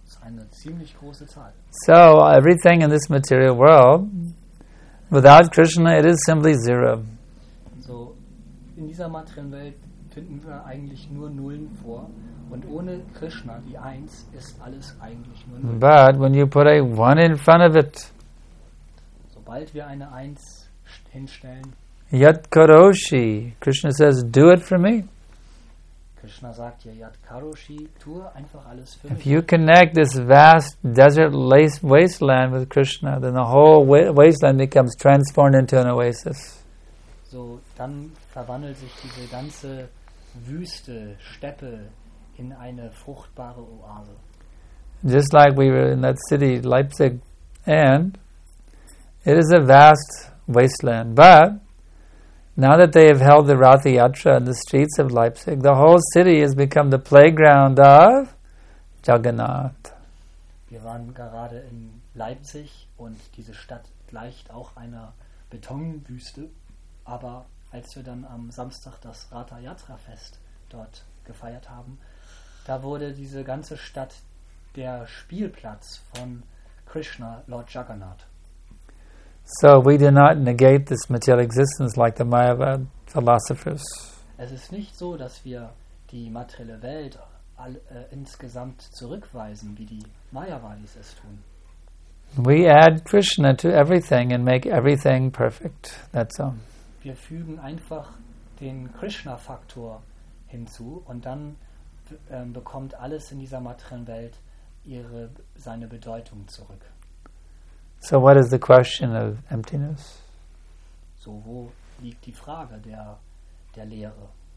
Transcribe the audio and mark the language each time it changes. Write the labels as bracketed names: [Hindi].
[German] Eine ziemlich große Zahl. [English] So, everything in this material world, without Krishna, it is simply zero. [German] So, in dieser materiellen Welt finden wir eigentlich nur Nullen vor. Und ohne Krishna, die Eins, ist alles eigentlich nur Null. [English] But when you put a One in front of it, [German] sobald wir eine Eins hinstellen, [English] Yat Karoshi, Krishna says, do it for me. [German] Krishna sagt ja, Yat Karoshi, tu einfach alles für [English] If [German] mich. [English] If you connect this vast desert wasteland with Krishna, then the whole wasteland becomes transformed into an oasis. [German] So, dann verwandelt sich diese ganze Wüste, Steppe, in eine fruchtbare Oase. [English] Just like we were in that city, Leipzig, and it is a vast wasteland, but now that they have held the Rath Yatra in the streets of Leipzig, the whole city has become the playground of Jagannath. [German] Wir waren gerade in Leipzig und diese Stadt gleicht auch einer Betonwüste. Aber als wir dann am Samstag das Rath Yatra Fest dort gefeiert haben, da wurde diese ganze Stadt der Spielplatz von Krishna, Lord Jagannath. [English] So we do not negate this material existence like the Mayavad philosophers. [German] Es ist nicht so, dass wir die materielle Welt insgesamt zurückweisen, wie die Mayavadis es tun. [English] We add Krishna to everything and make everything perfect. That's all. [German] Wir fügen einfach den Krishna-Faktor hinzu und dann bekommt alles in dieser materiellen Welt seine Bedeutung zurück. [English] So what is the question of emptiness? [German] So wo liegt die Frage der Leere?